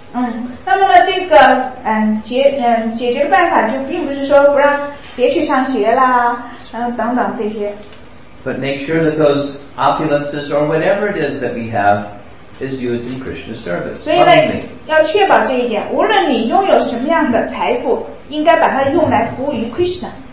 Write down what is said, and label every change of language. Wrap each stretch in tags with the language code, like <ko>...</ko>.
<zh>那么呢这个解决的办法就并不是说不让别去上学啦等等这些。</zh> <en>But make sure that those opulences or whatever it is that we have is used in Krishna's service.</en> <zh>所以呢，要确保这一点，无论你拥有什么样的财富，应该把它用来服务于 Krishna。</zh>